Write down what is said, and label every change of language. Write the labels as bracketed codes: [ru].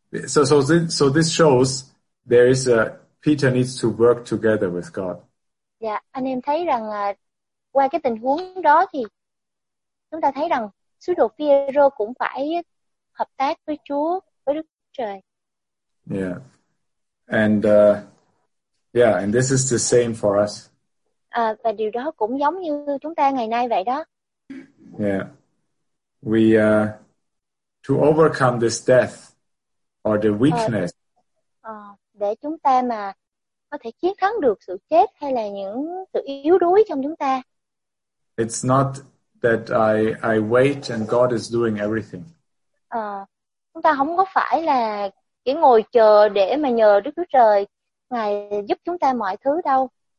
[en] So this shows there is a Peter needs to work together with God. [vi] Yeah, anh em thấy rằng qua cái tình huống đó thì chúng ta thấy rằng sứ đồ Phi-e-rơ cũng phải hợp tác với Chúa, với Đức Trời. [en] Yeah. And and this is the same for us. [vi] Và điều đó cũng giống như chúng ta ngày nay vậy đó. [en] Yeah. We to overcome this death or the weakness. [vi] Để chúng ta mà có thể chiến thắng được sự chết hay là những sự yếu đuối trong chúng ta. [en] It's not that I wait and God is doing everything. [vi] Chúng ta không có phải là chỉ ngồi chờ để mà nhờ Đức Chúa Trời Ngài giúp chúng ta mọi thứ đâu.